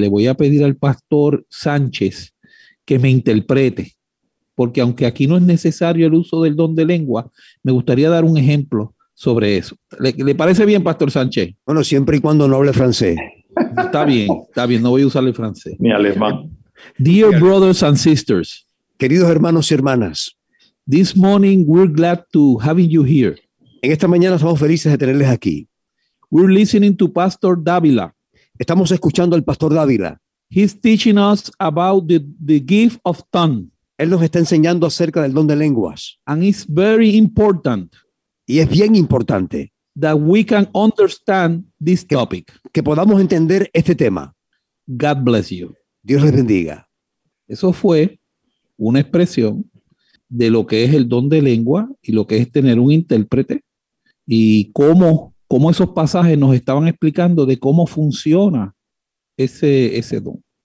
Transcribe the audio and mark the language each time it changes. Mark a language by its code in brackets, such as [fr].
[es] Le voy a pedir al pastor Sánchez que me interprete, porque aunque aquí no es necesario el uso del don de lengua, me gustaría dar un ejemplo sobre eso. ¿Le parece bien, pastor Sánchez? Bueno, siempre y cuando no hable francés. Está bien, no voy a usar el francés. Ni alemán. [en] Dear brothers and sisters. [es] Queridos hermanos y hermanas. [en] This morning we're glad to have you here. [es] En esta mañana estamos felices de tenerles aquí. [en] We're listening to Pastor Dávila. [es] Estamos escuchando al Pastor Dávila. [en] He's teaching us about the gift of tongue. [es] Él nos está enseñando acerca del don de lenguas. [en] And it's very important. [es] Y es bien importante. [en] That we can understand this topic. [es] Que podamos entender este tema. [en] God bless you. [es] Dios les bendiga. Eso fue una expresión de lo que es el don de lengua y lo que es tener un intérprete y cómo esos pasajes nos estaban explicando de cómo funciona ese don.